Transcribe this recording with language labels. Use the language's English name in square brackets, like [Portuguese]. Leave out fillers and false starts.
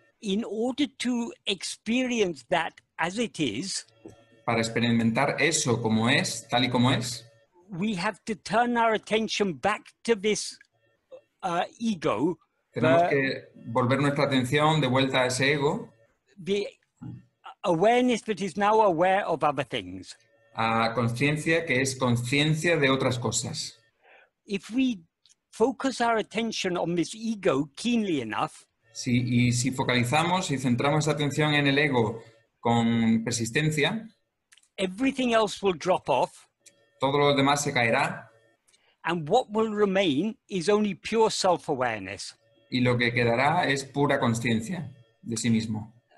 [English] In order to experience that as it is, [Spanish] para experimentar eso como es, tal y como es, [English] we have to turn our attention back to this ego. [Spanish] Tenemos que volver nuestra atención de vuelta a ese ego. [English] The awareness that is now aware of other things. [Spanish] A conciencia que es conciencia de otras cosas. [English] If we focus our attention on this ego keenly enough, [Spanish] si focalizamos y centramos esa atención en el ego con persistencia, [English] everything else will drop off. [Spanish] Todo lo demás se caerá. [English] And what will remain is only pure self-awareness. [Spanish] Y lo que quedará es pura consciencia de sí mismo.